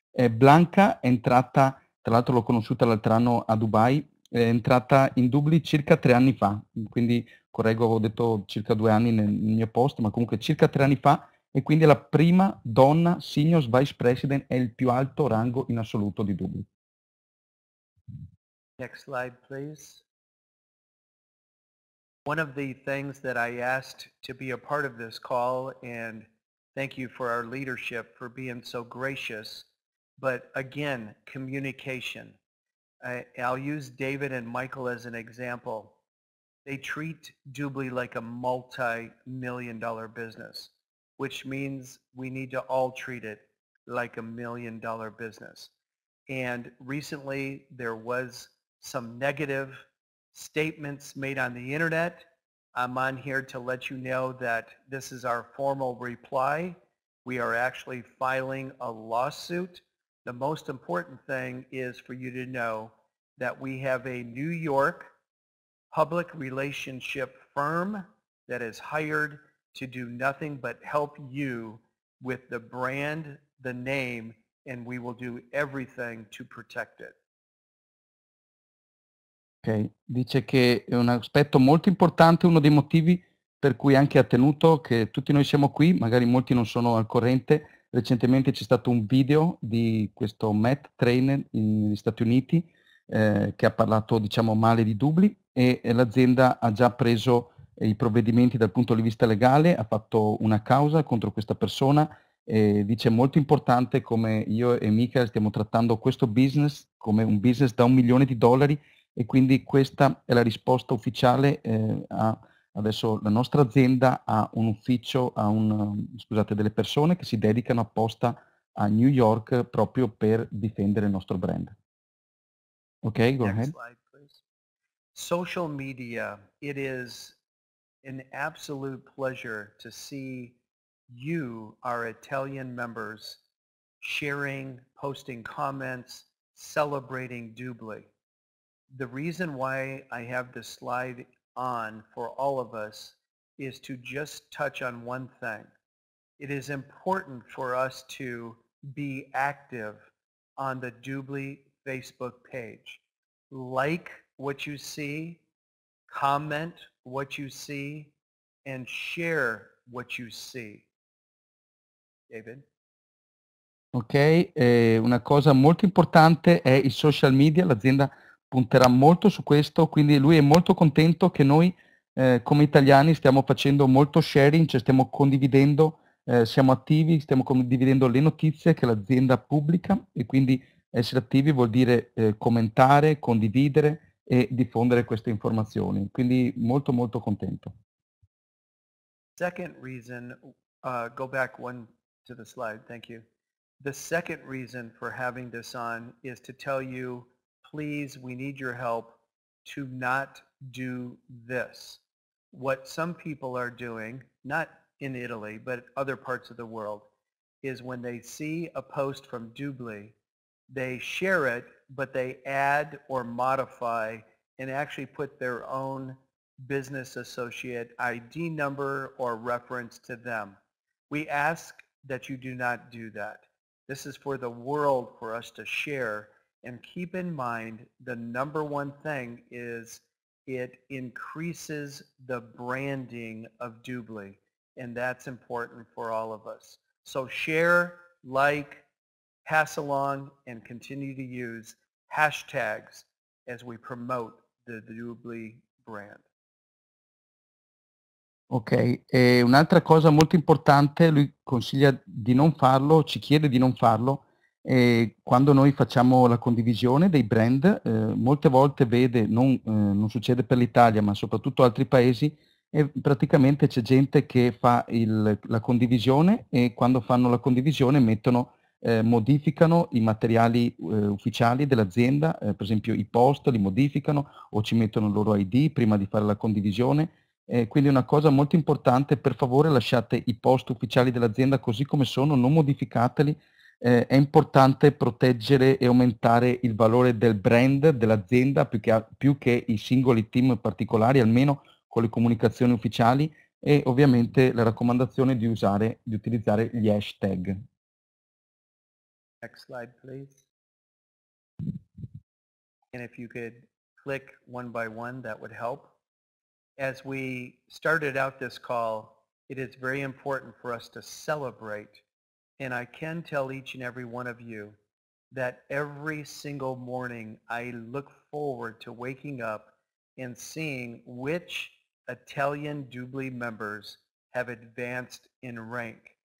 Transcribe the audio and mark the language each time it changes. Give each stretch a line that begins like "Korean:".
Italian: Blanca è entrata, tra l'altro l'ho conosciuta l'altro anno a Dubai, è entrata in Dubly circa 3 anni fa, quindi correggo, ho detto circa 2 anni nel mio post, ma comunque circa 3 anni fa. E quindi la prima donna Senior Vice President è il più alto rango in assoluto di Dubly.
English: Next slide, please. One of the things that I asked to be a part of this call, and Thank you for our leadership, for being so gracious. But again, communication. I'll use David and Michael as an example. They treat Dubly like a multi-million dollar business, which means we need to all treat it like a million dollar business. And recently there was some negative statements made on the internet. I'm on here to let you know that this is our formal reply. We are actually filing a lawsuit. The most important thing is for you to know that we have a New York public relationship firm that is hired to do nothing but help you with the brand, the name, and we will do everything to protect it.
Italian: Ok, dice che è un aspetto molto importante, uno dei motivi per cui anche ha tenuto che tutti noi siamo qui, magari molti non sono al corrente. Recentemente c'è stato un video di questo Matt Trainer negli Stati Uniti che ha parlato, diciamo, male di Dubly, e l'azienda ha già preso i provvedimenti dal punto di vista legale, ha fatto una causa contro questa persona. E dice molto importante come io e Michael stiamo trattando questo business come un business da $1 million, e quindi questa è la risposta ufficiale. Adesso la nostra azienda ha un ufficio, delle persone che si dedicano apposta a New York proprio per difendere il nostro brand.
English: Ok, go Next ahead. Slide, please. Social media, it is an absolute pleasure to see you, our Italian members, sharing, posting comments, celebrating Dubly. The reason why I have this slide on for all of us is to just touch on one thing. It is important for us to be active on the Dubly Facebook page. Like what you see, comment what you see, and share what you see. David?
Italian: Ok, una cosa molto importante è i social media. L'azienda punterà molto su questo, quindi lui è molto contento che noi come italiani stiamo facendo molto sharing, cioè stiamo condividendo, siamo attivi, stiamo condividendo le notizie che l'azienda pubblica, e quindi essere attivi vuol dire commentare, condividere e diffondere queste informazioni, quindi molto molto contento.
English: Second reason, go back one to the slide, thank you. The second reason for having this on is to tell you, please, we need your help to not do this. What some people are doing, not in Italy, but other parts of the world, is when they see a post from Dubly, they share it, but they add or modify and actually put their own business associate ID number or reference to them. We ask that you do not do that. This is for the world for us to share. And keep in mind, the number one thing is it increases the branding of Dubly, and that's important for all of us. So share, like, pass along, and continue to use hashtags as we promote the Dubly brand.
Italian: Ok, e un'altra cosa molto importante, lui consiglia di non farlo, ci chiede di non farlo. E quando noi facciamo la condivisione dei brand, molte volte vede, non succede per l'Italia, ma soprattutto altri paesi, e praticamente c'è gente che fa la condivisione, e quando fanno la condivisione modificano i materiali ufficiali dell'azienda, per esempio i post li modificano o ci mettono il loro ID prima di fare la condivisione. Quindi una cosa molto importante, per favore lasciate i post ufficiali dell'azienda così come sono, non modificateli. È importante proteggere e aumentare il valore del brand, dell'azienda, più che i singoli team particolari, almeno con le comunicazioni ufficiali, e ovviamente la raccomandazione di utilizzare gli hashtag.
English: Next slide, please. And if you could click one by one, that would help. As we started out this call, it is very important for us to celebrate. And I can tell each and every one of you that every single morning I look forward to waking up and seeing which Italian Dubly members have advanced in rank.